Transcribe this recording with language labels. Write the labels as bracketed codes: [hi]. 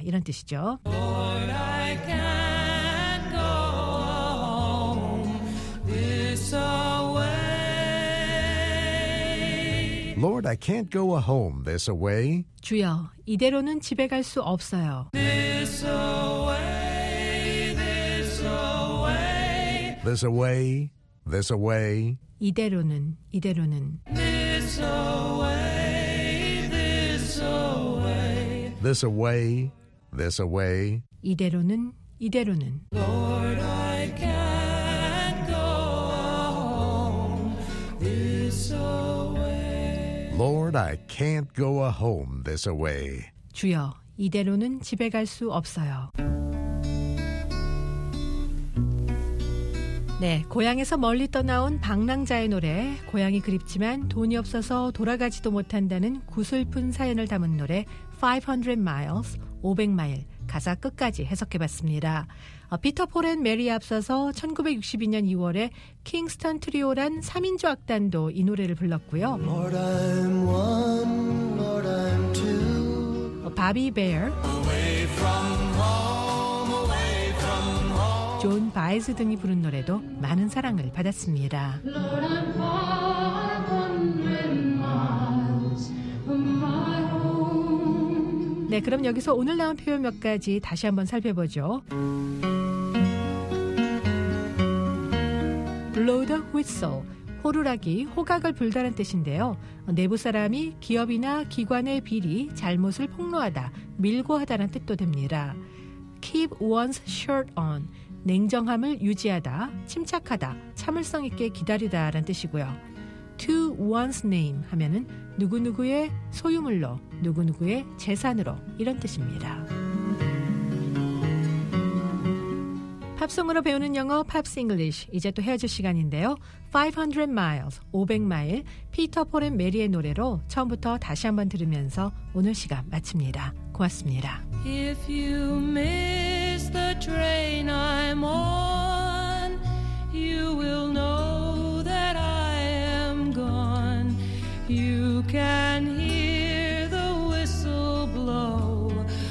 [ko] 이런 뜻이죠. [en] Lord, I can't go home this away. Lord, I can't go home this away. [ko] 주여, 이대로는 집에 갈 수 없어요. [en] This away, this away. This away, this away. [ko] 이대로는, 이대로는. [en] This away, this away. This away, this away. [ko] 이대로는, 이대로는. [en] Lord, I can't go home this away. Lord, I can't go home this away. [ko] 주여, 이대로는 집에 갈 수 없어요. 네, 고향에서 멀리 떠나온 방랑자의 노래, 고향이 그립지만 돈이 없어서 돌아가지도 못한다는 구슬픈 사연을 담은 노래 500 Miles, 500마일 가사 끝까지 해석해봤습니다. 피터 폴 앤 메리에 앞서서 1962년 2월에 킹스턴 트리오란 3인조 악단도 이 노래를 불렀고요. [en] Lord, I'm one, Lord, I'm two. [ko] 바비 베어, 존 바이즈 등이 부른 노래도 많은 사랑을 받았습니다. [en] Lord, I'm 500 miles from my home. [ko] 네, 그럼 여기서 오늘 나온 표현 몇 가지 다시 한번 살펴보죠. [en] Blow the whistle, [ko] 호루라기, 호각을 불다란 뜻인데요. 내부 사람이 기업이나 기관의 비리, 잘못을 폭로하다, 밀고하다란 뜻도 됩니다. [en] Keep one's shirt on, [ko] 냉정함을 유지하다, 침착하다, 참을성 있게 기다리다란 뜻이고요. [en] To one's name [ko] 하면은 누구누구의 소유물로, 누구누구의 재산으로 이런 뜻입니다. 팝송으로 배우는 영어 팝스 잉글리시 이제 또 헤어질 시간인데요. 500 miles, 500마일 피터 폴 앤 메리의 노래로 처음부터 다시 한번 들으면서 오늘 시간 마칩니다. 고맙습니다. [en] If you miss the train I'm on you will know that I am gone. You can hear the whistle blow